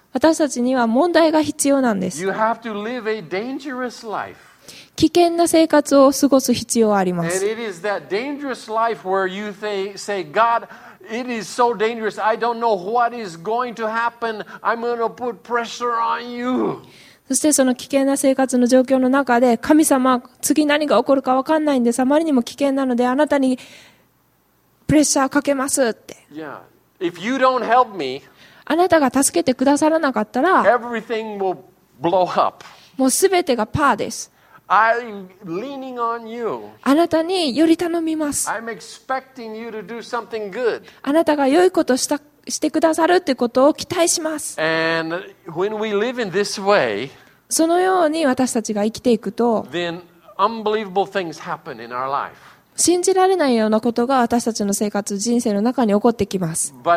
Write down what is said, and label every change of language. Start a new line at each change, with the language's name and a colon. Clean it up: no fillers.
Japanese: 私たちには問題が必要なんです。
English: You have to live a dangerous life.
Japanese: 危険な生活を過ごす必要はあります。
English: And it is that dangerous life where you say, God, it is so dangerous. I don't know what is going to happen. I'm going to put pressure on you.
Japanese: そしてその危険な生活の状況の中で、神様、次何が起こるか分かんないんです。あまりにも危険なので、あなたにプレッシャーかけますって。
English: Yeah. If you don't help me,
Japanese: あなたが助けてくださらなかったら、
English: Everything will blow up.
Japanese: もうすべてがパーです。
English: I'm leaning on you.
Japanese: あなたにより頼みます。
English: I'm expecting you to do something good.
Japanese: あなたが良いことをしてくださるってことを期待します。
English: And when we live in this way,
Japanese: そのように私たちが生きていくと、
English: then unbelievable things happen in our life.
Japanese: 信じられないようなことが私たちの生活、人生の中に起こってきます。